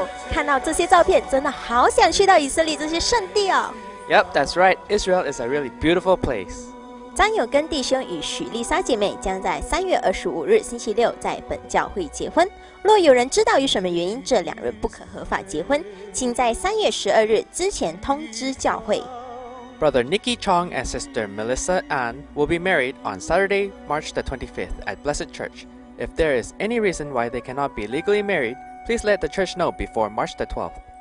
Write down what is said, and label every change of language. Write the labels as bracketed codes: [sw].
[zh] 看到这些照片，真的好想去到以色列这些圣地哦。 [en] Yep, that's right. Israel is a really beautiful place. [zh] 张友根弟兄与许丽莎姐妹将在3月25日星期六在本教会结婚。若有人知道有什么原因这两人不可合法结婚，请在3月12日之前通知教会。 [en] Brother Nikki Chong and Sister Melissa Ann will be married on Saturday, March the 25th at Blessed Church. If there is any reason why they cannot be legally married, please let the church know before March the 12th.